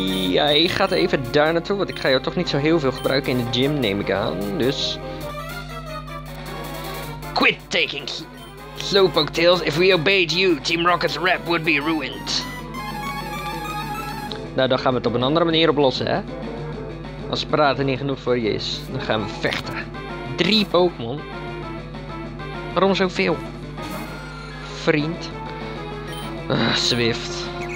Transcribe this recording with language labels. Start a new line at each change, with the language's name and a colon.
Dutch: Jij gaat even daar naartoe, want ik ga jou toch niet zo heel veel gebruiken in de gym, neem ik aan. Dus...
English: Quit taking slowpoke tails. If we obeyed you, Team Rocket's rap would be ruined.
Dutch: Nou, dan gaan we het op een andere manier oplossen, hè? Als praten niet genoeg voor je is, dan gaan we vechten. 3 Pokémon? Waarom zoveel? Vriend. Swift.